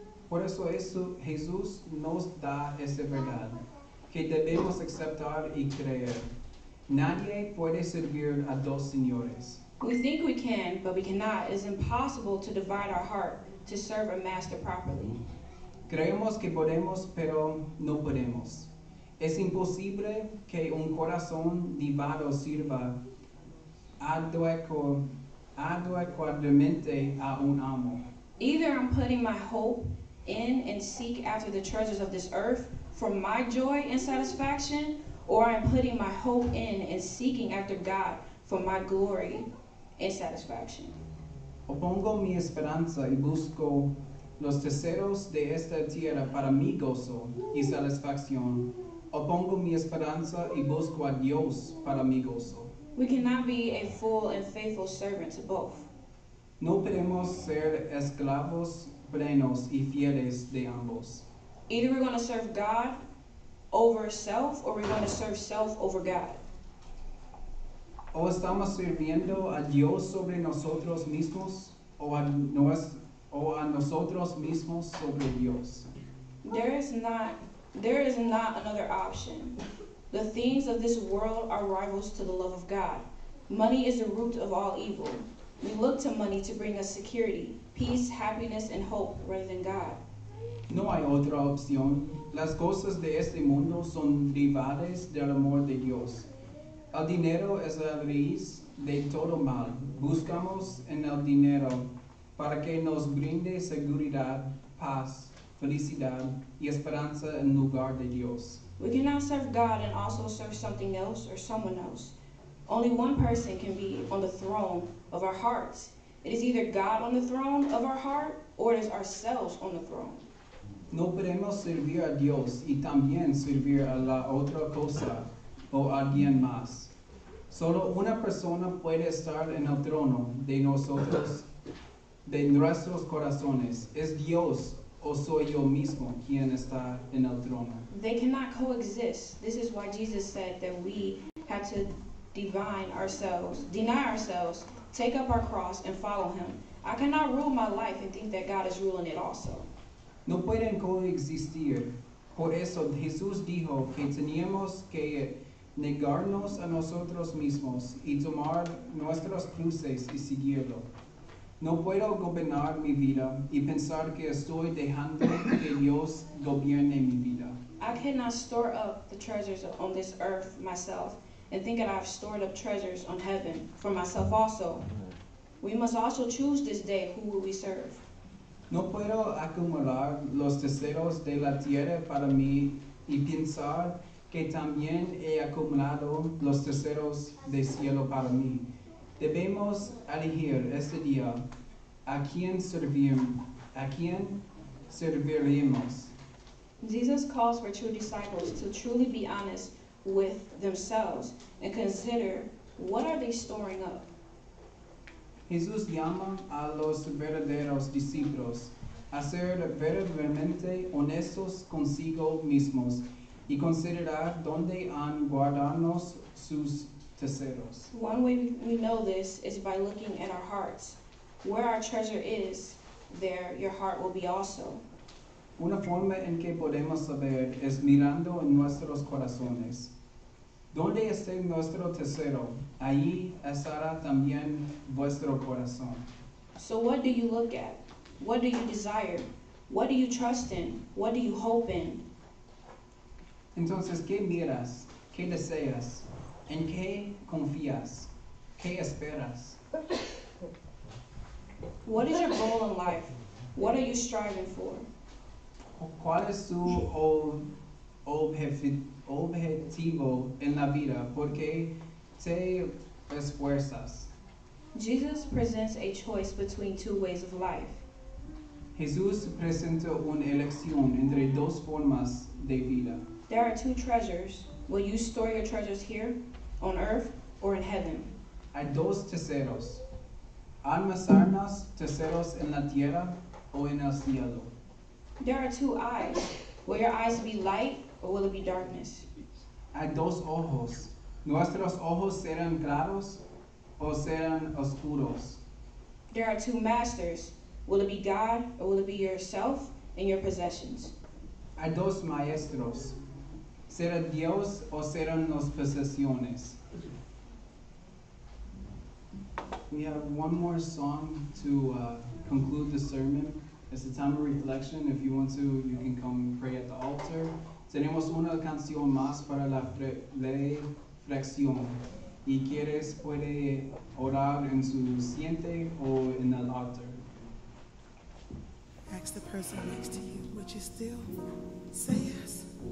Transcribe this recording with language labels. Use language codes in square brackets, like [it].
[es] Por eso, Jesús nos da esa verdad. Que debemos aceptar y creer. Nadie puede servir a dos señores. [en] We think we can, but we cannot. It's impossible to divide our heart to serve a master properly. [es] Creemos que podemos, pero no podemos. Es imposible que un corazón divado sirva adecuadamente a un amo. [en] Either I'm putting my hope in and seek after the treasures of this earth for my joy and satisfaction, or I'm putting my hope in and seeking after God for my glory and satisfaction. [es] O pongo mi esperanza y busco los deseos de esta tierra para mi gozo y satisfacción. O pongo mi esperanza y busco a Dios para mi gozo. [en] We cannot be a full and faithful servant to both. [es] No podemos ser esclavos plenos y fieles de ambos. [en] Either we're going to serve God over self, or we're going to serve self over God. [es] O estamos sirviendo a Dios sobre nosotros mismos, o a nosotros mismos sobre Dios. [en] There is not another option. The things of this world are rivals to the love of God. Money is the root of all evil. We look to money to bring us security, peace, happiness, and hope rather than God. [es] No hay otra opción. Las cosas de este mundo son rivales del amor de Dios. El dinero es la raíz de todo mal. Buscamos en el dinero para que nos brinde seguridad, paz, felicidad, y esperanza en lugar de Dios. [en] We cannot serve God and also serve something else or someone else. Only one person can be on the throne of our hearts. It is either God on the throne of our heart or it is ourselves on the throne. [es] No podemos servir a Dios y también servir a la otra cosa o a alguien más. Solo una persona puede estar en el trono de nosotros, de nuestros corazones. Es Dios o soy yo mismo quien está en el trono. [en] They cannot coexist. This is why Jesus said that we had to deny ourselves, take up our cross and follow him. I cannot rule my life and think that God is ruling it also. [es] No pueden coexistir. Por eso Jesús dijo que teníamos que negarnos a nosotros mismos y tomar nuestras cruces y seguirlo. No puedo gobernar mi vida y pensar que estoy dejando que Dios gobierne mi vida. [en] I cannot store up the treasures on this earth myself and think that I have stored up treasures on heaven for myself also. We must also choose this day who will we serve. [es] No puedo acumular los tesoros de la tierra para mí y pensar que también he acumulado los tesoros del cielo para mí. Debemos elegir este día a quién serviremos. [en] Jesus calls for true disciples to truly be honest with themselves and consider what are they storing up. [es] Jesús llama a los verdaderos discípulos a ser verdaderamente honestos consigo mismos y considerar dónde han guardado sus tesoros. [en] One way we know this is by looking at our hearts. Where our treasure is, there your heart will be also. [es] Una forma en que podemos saber es mirando en nuestros corazones. Donde esté nuestro tesoro, ahí estará también vuestro corazón. [en] So what do you look at? What do you desire? What do you trust in? What do you hope in? [es] Entonces, ¿qué miras? ¿Qué deseas? ¿En qué confías? ¿Qué esperas? [en] What is your goal in life? What are you striving for? [es] ¿Cuál es su objetivo en la vida? ¿Por qué te esfuerzas? [en] Jesus presents a choice between two ways of life. [es] Jesús presenta una elección entre dos formas de vida. [en] There are two treasures. Will you store your treasures here, on earth, or in heaven? [es] Hay dos tesoros. ¿Almacenas tesoros en la tierra o en el cielo? [en] There are two eyes. Will your eyes be light or will it be darkness? [es] Hay dos ojos. ¿Nuestros ojos serán claros o serán oscuros? [en] There are two masters. Will it be God or will it be yourself and your possessions? [es] Hay dos maestros. ¿Será Dios o serán las posesiones? [en] We have one more song to conclude the sermon. It's a time of reflection. If you want to, you can come pray at the altar. [es] Tenemos una canción más para la reflexión. Y quieres, puede orar en su siente o en el altar. [en] Ask the person next to you, would you still say yes?